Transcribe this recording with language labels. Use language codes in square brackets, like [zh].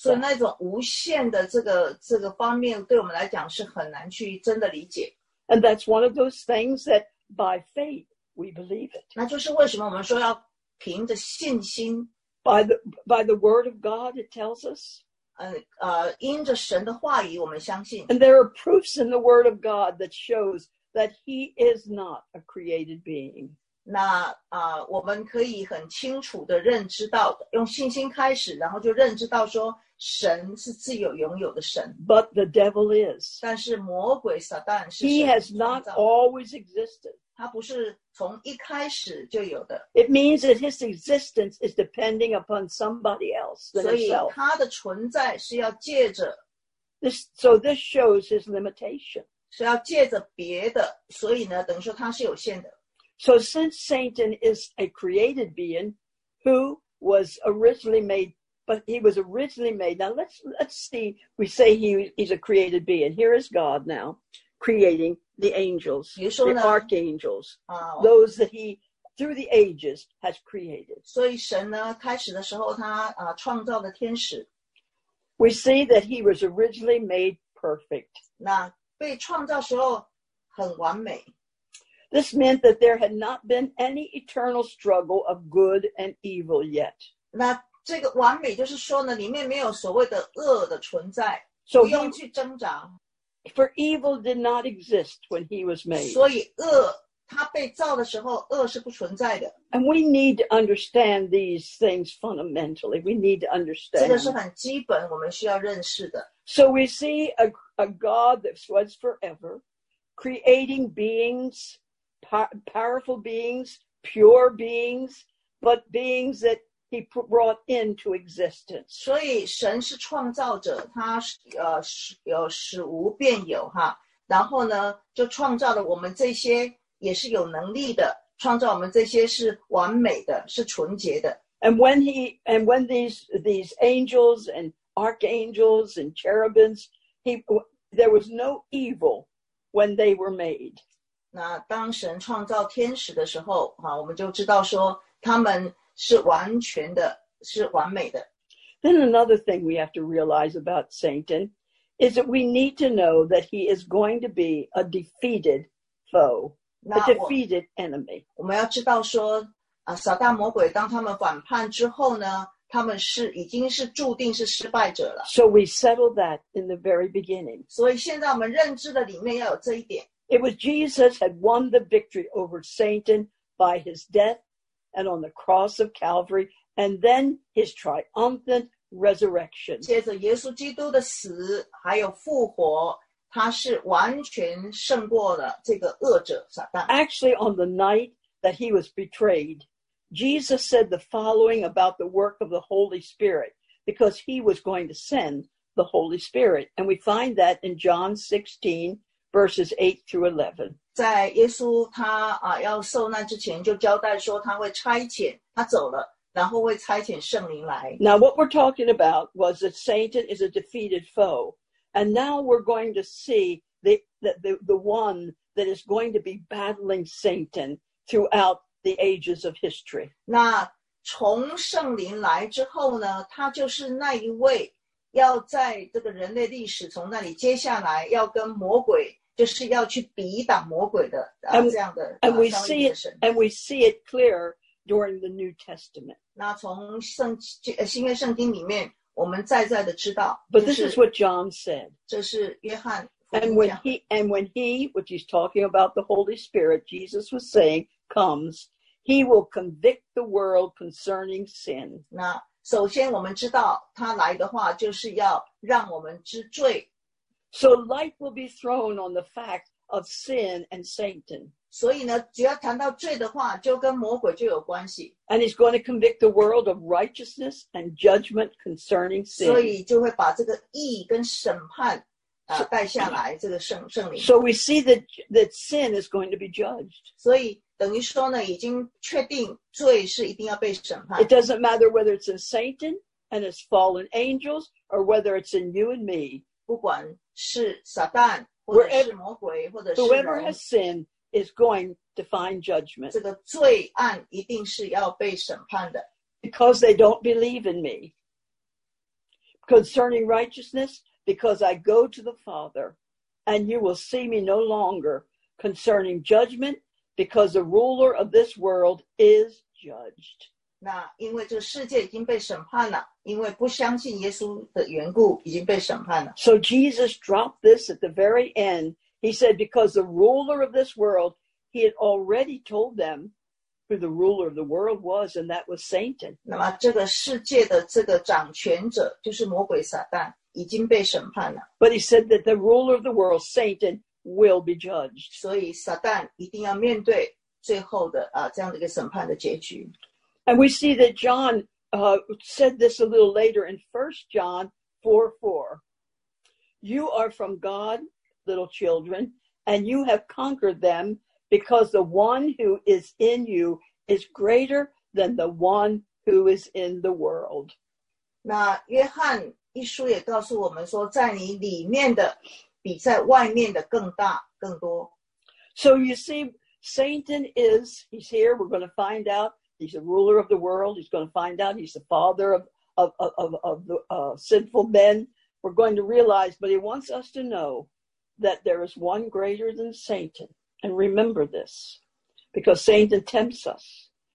[zh] 所以那种无限的这个方面对我们来讲是很难去真的理解。 [en] And that's one of those things that by faith we believe it. [zh] 那就是为什么我们说要凭着信心。 [en] By the word of God, it tells us. [zh] 因着神的话语，我们相信。 [en] And there are proofs in the word of God that shows that he is not a created being. [zh] 那我们可以很清楚的认知到，用信心开始，然后就认知到说神是自有永有的神。 [en] But the devil is. [zh] 但是魔鬼撒旦是。 [en] He has not always existed. [zh] 他不是从一开始就有的。 [en] It means that his existence is depending upon somebody else than himself. [zh] 所以他的存在是要借着。 [en] This shows his limitation. [zh] 是要借着别的，所以呢，等于说他是有限的。 [en] So since Satan is a created being who was originally made. But he was originally made. Now let's see. We say he's a created being. Here is God now creating the angels, the archangels, those that he through the ages has created. [zh] 所以神呢，开始的时候他创造的天使。 [en] We see that he was originally made perfect. [zh] 那被创造时候很完美。 [en] This meant that there had not been any eternal struggle of good and evil yet. [zh] 那这个完美就是说呢，里面没有所谓的恶的存在，不用去挣扎。 [en] For evil did not exist when he was made. [zh] 所以恶，他被造的时候，恶是不存在的。 [en] And we need to understand these things fundamentally. We need to understand. [zh] 这个是很基本，我们需要认识的。 [en] So we see a God that was forever, creating beings, powerful beings, pure beings, but beings that he brought into existence. [zh] 所以神是创造者，他有始无变有哈，然后呢，就创造了我们这些也是有能力的，创造我们这些是完美的，是纯洁的。 [en] And when these angels and archangels and cherubims, there was no evil when they were made. [zh] 那当神创造天使的时候，哈，我们就知道说他们是完全的，是完美的。 [en] Then another thing we have to realize about Satan is that we need to know that he is going to be a defeated foe. A defeated enemy. [zh] 我们要知道说，撒旦魔鬼当他们反叛之后呢，他们是已经是注定是失败者了。 [en] So we settled that in the very beginning. [zh] 所以现在我们认知的里面要有这一点。 [en] It was Jesus had won the victory over Satan by his death and on the cross of Calvary, and then his triumphant resurrection. [zh] 接着耶稣基督的死还有复活，他是完全胜过了这个恶者撒旦。 [en] Actually, on the night that he was betrayed, Jesus said the following about the work of the Holy Spirit, because he was going to send the Holy Spirit. And we find that in John 16, verses 8 through 11. [zh] 在耶稣他要受难之前就交代说他会差遣，他走了，然后会差遣圣灵来。 [en] Now what we're talking about was that Satan is a defeated foe. And now we're going to see the one that is going to be battling Satan throughout the ages of history. [zh] 那从圣灵来之后呢，他就是那一位要在这个人类历史从那里接下来要跟魔鬼，就是要去抵挡魔鬼的这样的。 [en] And we see it clearer during the New Testament. [zh] 那从新约圣经里面我们在在的知道。 [en] But this is what John said. [zh] 这是约翰。 [en] And when he, which he's talking about the Holy Spirit, Jesus was saying, comes, he will convict the world concerning sin. [zh] 那首先我们知道他来的话就是要让我们知罪。 [en] So light will be thrown on the fact of sin and Satan. [zh] 所以呢，只要谈到罪的话，就跟魔鬼就有关系。 [en] And he's going to convict the world of righteousness and judgment concerning sin. [zh] 所以就会把这个义跟审判带下来，这个圣灵。 [en] So we see that sin is going to be judged. [zh] 所以等于说呢，已经确定罪是一定要被审判。 [en] It doesn't matter whether it's in Satan and his fallen angels or whether it's in you and me. [zh] 不管是撒旦或者是魔鬼或者是人， [en] whoever has sinned is going to find judgment. [zh] 这个罪案一定是要被审判的。 [en] Because they don't believe in me. Concerning righteousness, because I go to the Father, and you will see me no longer. Concerning judgment, because the ruler of this world is judged. [zh] 那因为这世界已经被审判了，因为不相信耶稣的缘故已经被审判了。 [en] So Jesus dropped this at the very end. He said, because the ruler of this world, he had already told them who the ruler of the world was, and that was Satan. [zh] 那么这个世界的这个掌权者就是魔鬼撒旦，已经被审判了。 [en] But he said that the ruler of the world, Satan, will be judged. [zh] 所以撒旦一定要面对最后的这样的一个审判的结局。 [en] And we see that John said this a little later in 1 John 4:4. You are from God, little children, and you have conquered them because the one who is in you is greater than the one who is in the world. [zh] 那约翰一书也告诉我们说，在你里面的比在外面的更大更多。 [en] So you see, Satan is, he's here, we're going to find out. He's the ruler of the world. He's going to find out. He's the father of the sinful men. We're going to realize, but he wants us to know that there is one greater than Satan. And remember this, because Satan tempts us.